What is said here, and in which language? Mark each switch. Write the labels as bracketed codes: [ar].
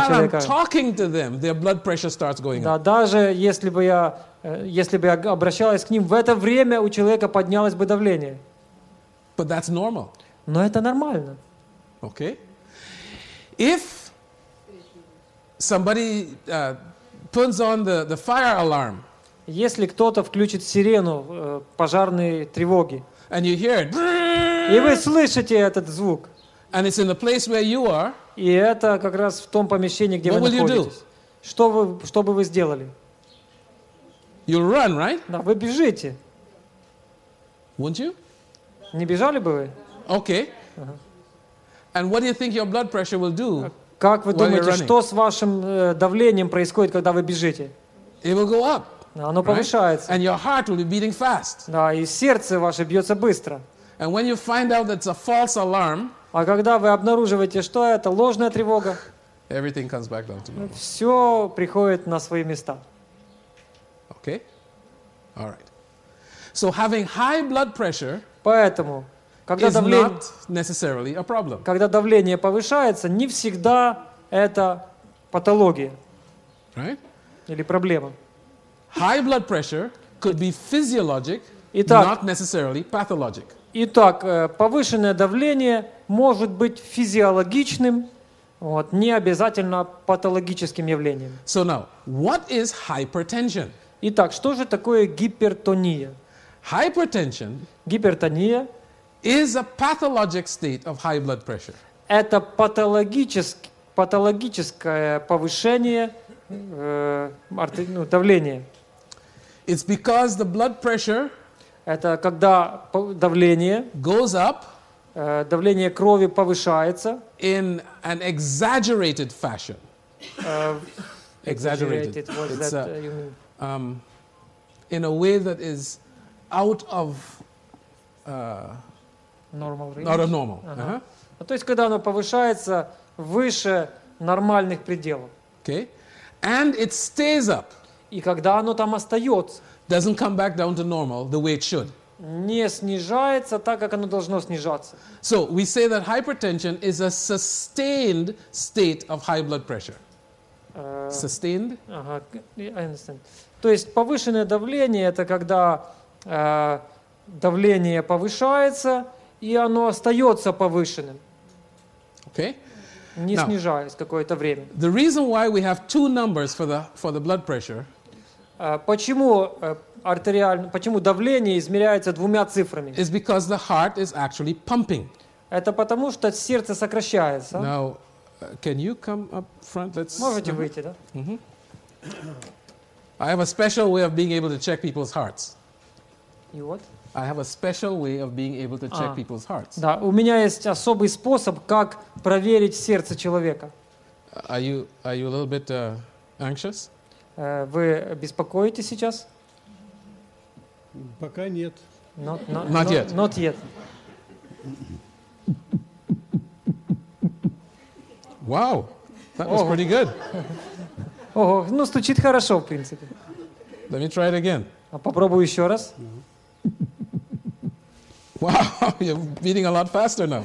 [en] while [ru] человека, [en] I'm talking to them, their blood pressure starts going [ru] да, [en] up. [ru] Даже если бы я обращалась к ним, в это время у человека поднялось бы давление. [en] But that's normal. [ru] Но это нормально. [en] Okay. If somebody turns on the fire alarm, [ru] если кто-то включит сирену пожарной тревоги, [en] and you hear it. [ru] И вы слышите этот звук. [en] And it's in the place where you are. [ru] И это как раз в том помещении, где [en] What [ru] вы находитесь. Что бы вы сделали? [en] You'll run, right? [ru] Да, вы бежите. [en] Wouldn't you? [ru] Не бежали бы вы? [en] Okay. Uh-huh. And what do you think your blood pressure will do? [ru] Как вы думаете, что с вашим давлением происходит, когда вы бежите? [en] It will go up. [ru] Да, оно повышается. [en] And your heart will be beating fast. [ru] Да, и сердце ваше бьется быстро. [en] And when you find out that it's a false alarm, [ru] а когда вы обнаруживаете, что это ложная тревога, [en] everything comes back down to normal. [ru] Все приходит на свои места. [en] Okay? All right. So having high blood pressure, [ru] поэтому, когда [en] is [ru] давление, [en] not necessarily a problem. [ru] Когда давление повышается, не всегда это патология. [en] Right? [ru] Или проблема. [en] High blood pressure could be physiologic, [ru] итак, [en] not necessarily pathologic. [ru] Итак, повышенное давление может быть физиологичным, вот, не обязательно патологическим явлением. [en] So now, what is hypertension? [ru] Итак, что же такое гипертония? [en] Hypertension [ru] гипертония [en] is a pathologic state of high blood pressure. [ru] Это патологическое повышение давления. [en] It's because the blood pressure [ru] это когда давление, goes up, давление крови повышается [en] in an exaggerated fashion. Exaggerated. What is that? In a way that is out of normal range. Out of normal. Uh-huh. [ru] То есть когда оно повышается выше нормальных пределов. [en] Okay. And it stays up. [ru] И когда оно там остается. [en] Doesn't come back down to normal the way it should. [ru] Не снижается так, как оно должно снижаться. [en] So we say that hypertension is a sustained state of high blood pressure. Sustained? Ага, I understand. [ru] То есть повышенное давление это когда давление повышается и оно остается повышенным. [en] Okay. [ru] Не [en] Now, [ru] снижаясь какое-то время. [en] The reason why we have two numbers for the blood pressure. [ru] Почему давление измеряется двумя цифрами? [en] Is because the heart is actually pumping. [ru] Это потому, что сердце сокращается. [en] Now, can you come up front? [ru] Можете выйти, да? Mm-hmm. [en] I have a special way of being able to check people's hearts. You what? I have a special way of being able to check people's hearts. [ru] Да, у меня есть особый способ, как проверить сердце человека. [en] Are you a little bit anxious? [ru] Вы беспокоитесь сейчас? Пока нет. [en] Not yet. Not yet. Wow, that was pretty good. [ru] Ого, ну стучит хорошо, в принципе. [en] Let me try it again. [ru] А попробую еще раз. [en] Wow, you're beating a lot faster now.